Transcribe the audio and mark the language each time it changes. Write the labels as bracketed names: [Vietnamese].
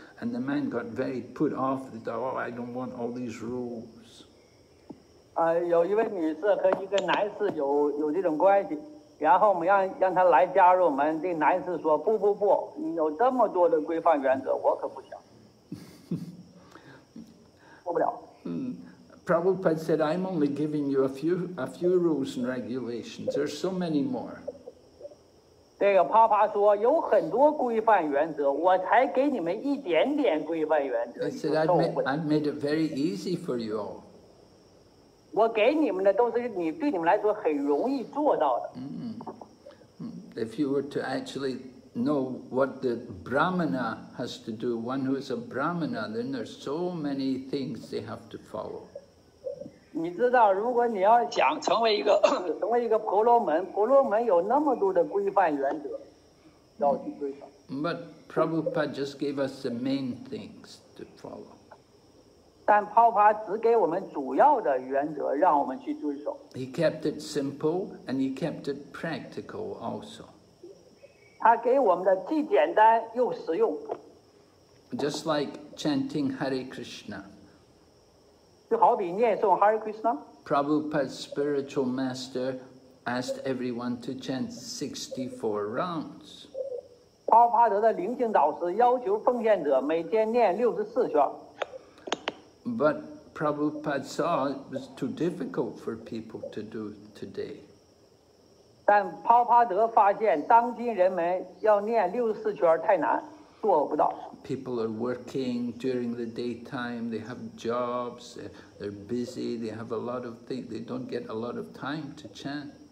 [English] And the man got very put off, he thought, oh, I don't want all these rules. [Chinese] 有一位女士和一个男士有这种关系，然后我们让他来加入我们，这男士说，不，你有这么多的规范原则，我可不想。做不了。 [English] Prabhupada said, I'm only giving you a few rules and regulations. There's so many more. [Chinese] 这个帕帕说有很多规范原则，我才给你们一点点规范原则。 [English] I said, I've made it very easy for you all. [Chinese] 我给你们的都是你对你们来说很容易做到的。 [English] If you were to actually know what the Brahmana has to do, one who is a Brahmana, then there's so many things they have to follow. [Chinese] 你知道，如果你要想成为一个婆罗门有那么多的规范原则，要去规范。 [English] But Prabhupada just gave us the main things to follow. [Chinese] 但帕帕只给我们主要的原则，让我们去遵守。 [English] He kept it simple and he kept it practical also. [Chinese] 他给我们的既简单又实用。 [English] Just like chanting Hare Krishna. [Chinese] 就好比念诵 Hare Krishna。 [English] Prabhupada's spiritual master asked everyone to chant 64 rounds. [Chinese] 帕帕德的灵性导师要求奉献者每天念64圈。 [English] But Prabhupada saw it was too difficult for people to do today. [Chinese] 但帕帕德发现当今人们要念64圈太难。 [English] People are working during the daytime, they have jobs, they're busy, they have a lot of things, they don't get a lot of time to chant.